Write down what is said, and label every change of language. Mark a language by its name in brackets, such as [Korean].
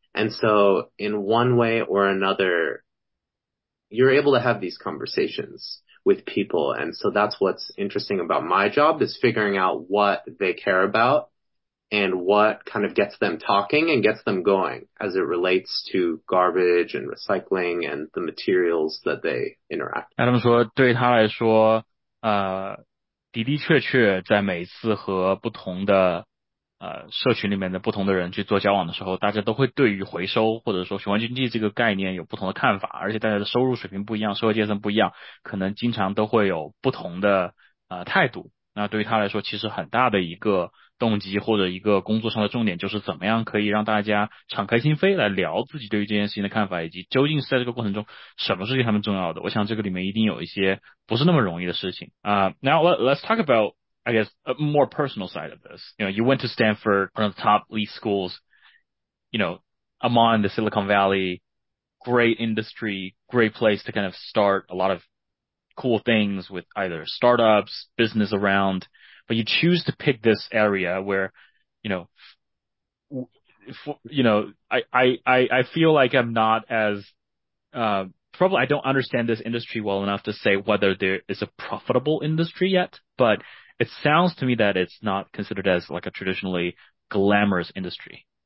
[English] And so in one way or another, you're able to have these conversations with people. And so that's what's interesting about my job is figuring out what they care about and what kind of gets them talking and gets them going as it relates to garbage and recycling and the materials that they interact [Chinese] with. Adam 说对他来说的的确确在每次和不同的社群里面的不同的人去做交往的时候，大家都会对于回收或者说循环经济这个概念有不同的看法，而且大家的收入水平不一样，社会阶层不一样，可能经常都会有不同的态度。那对于他来说，其实很大的一个动机或者一个工作上的重点，就是怎么样可以让大家敞开心扉来聊自己对于这件事情的看法，以及究竟是在这个过程中什么是对他们重要的。我想这个里面一定有一些不是那么容易的事情啊。 [English] Now let's talk about. I guess a more personal side of this. You know, you went to Stanford, one of the top elite schools, you know, among the Silicon Valley, great industry, great place to kind of start a lot of cool things with either startups, business around, but you choose to pick this area where, you know, I feel like I'm not as, probably I don't understand this industry well enough to say whether there is a profitable industry yet, but,It sounds to me that it's not considered as like a traditionally glamorous industry.